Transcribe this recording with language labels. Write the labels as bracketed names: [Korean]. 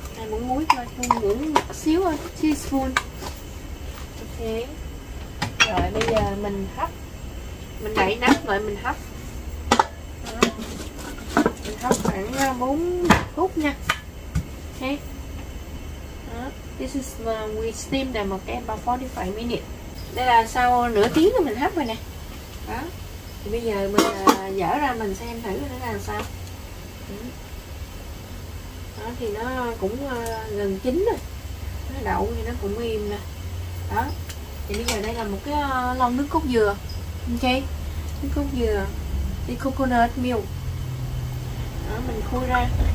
[Vietnamese] Muỗng muối thôi, muỗng muỗng xíu thôi, teaspoon. Ok. Rồi bây giờ mình hấp, mình đẩy nắp lại, mình hấp. Đó. Mình hấp khoảng 4 phút nha. Ok. Đó. [English] This is we steam them okay, about 45 minutes. [Vietnamese] Đây là sau nửa tiếng rồi mình hấp rồi nè. Đó. Thì bây giờ mình dở ra mình xem thử nó làm sao. Đó, thì nó cũng gần chín rồi, nó đậu thì nó cũng im nè. Đó thì bây giờ đây là một cái lon nước cốt dừa. Ok, nước cốt dừa thì coconut milk đó, mình khui ra.